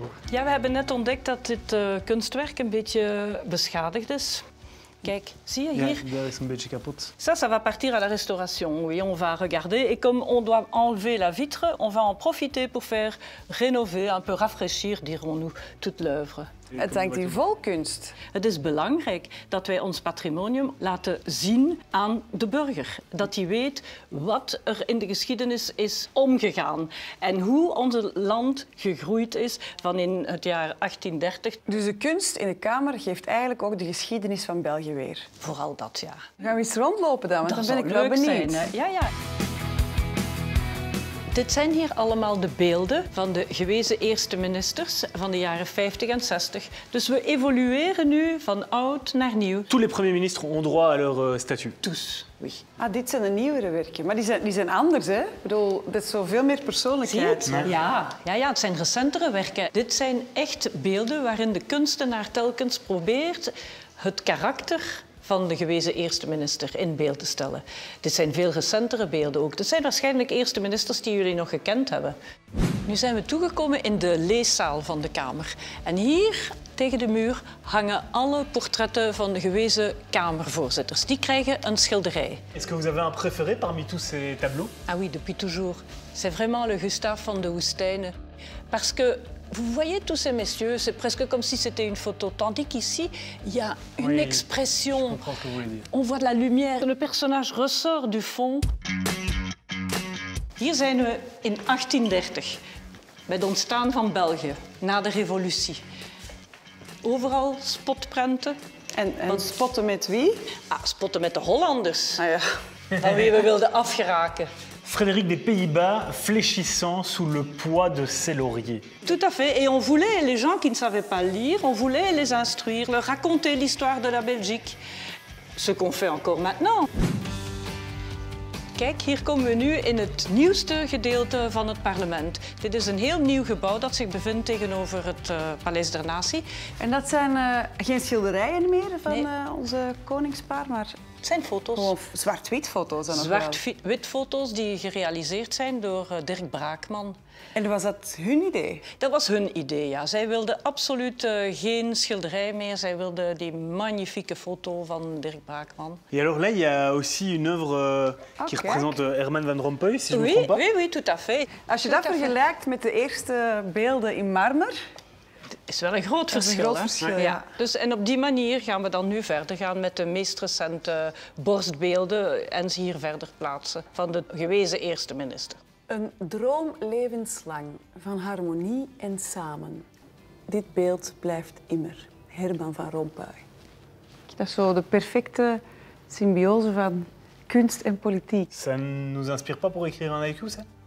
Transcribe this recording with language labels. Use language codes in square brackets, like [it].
[nl] Ja, we hebben net ontdekt dat dit kunstwerk een beetje beschadigd is. Kijk, zie je hier? Ja, dat is een beetje kapot. [fr] Ça va partir à la restauration. Oui, on va regarder. Et comme on doit enlever la vitre, on va en profiter pour faire rénover, un peu rafraîchir, dirons-nous, toute l'œuvre. [nl] Het hangt hier vol kunst. Het is belangrijk dat wij ons patrimonium laten zien aan de burger. Dat hij weet wat er in de geschiedenis is omgegaan. En hoe ons land gegroeid is van in het jaar 1830. Dus de kunst in de kamer geeft eigenlijk ook de geschiedenis van België weer. Vooral dat, ja. Gaan we eens rondlopen dan, want dan ben ik wel benieuwd. Dat zou leuk zijn, hè? Ja. Dit zijn hier allemaal de beelden van de gewezen eerste ministers van de jaren 50 en 60. Dus we evolueren nu van oud naar nieuw. [fr] Tous les premiers ministres ont droit à leur statut. Tous. Oui. [nl] Ah, dit zijn de nieuwere werken, maar die zijn anders, hè? Ik bedoel, dat is zo veel meer persoonlijkheid. Zie je het? Ja, het zijn recentere werken. Dit zijn echt beelden waarin de kunstenaar telkens probeert het karakter van de gewezen eerste minister in beeld te stellen. Dit zijn veel recentere beelden ook. Dit zijn waarschijnlijk eerste ministers die jullie nog gekend hebben. Nu zijn we toegekomen in de leeszaal van de Kamer. En hier, tegen de muur, hangen alle portretten van de gewezen kamervoorzitters. Die krijgen een schilderij. [fr] Est-ce que vous avez un préféré parmi tous ces tableaux? Ah oui, depuis toujours. C'est vraiment le Gustave van de Woestijnen. Parce que vous voyez tous ces messieurs, c'est presque comme si c'était une photo. Tandis qu'ici, il y a une expression. Je comprends ce que vous voulez dire. On voit de la lumière. Le personnage ressort du fond. [nl] Hier zijn we in 1830, bij het ontstaan van België, na de revolutie. Overal spotprenten. En spotten met wie? Ah, spotten met de Hollanders. Ah ja. Van wie we wilden afgeraken. [fr] Frédéric des Pays-Bas fléchissant sous le poids de ses lauriers. Tout à fait. Et on voulait, les gens qui ne savaient pas lire, on voulait les instruire, leur raconter l'histoire de la Belgique. Ce qu'on fait encore maintenant. [nl] Kijk, hier komen we nu in het nieuwste gedeelte van het parlement. Dit is een heel nieuw gebouw dat zich bevindt tegenover het Paleis der Natie. En dat zijn geen schilderijen meer van onze koningspaar, maar... Het zijn foto's. Zwart-wit foto's. Zwart-wit foto's die gerealiseerd zijn door Dirk Braakman. En was dat hun idee? Dat was hun idee, ja. Zij wilden absoluut geen schilderij meer. Zij wilden die magnifieke foto van Dirk Braakman. [fr] En alors là, il y a aussi une œuvre qui représente Herman van Rompuy, si je me trompe pas. Oui, tout à fait. [nl] Als je dat vergelijkt met de eerste beelden in marmer. Is wel een groot verschil. Een groot verschil, ja. Dus, en op die manier gaan we dan nu verder gaan met de meest recente borstbeelden en ze hier verder plaatsen van de gewezen eerste minister. Een droom levenslang van harmonie en samen. Dit beeld blijft immer. Herman van Rompuy. Dat is zo de perfecte symbiose van kunst en politiek. [fr] Ça nous inspire pas pour écrire un haïku, ça?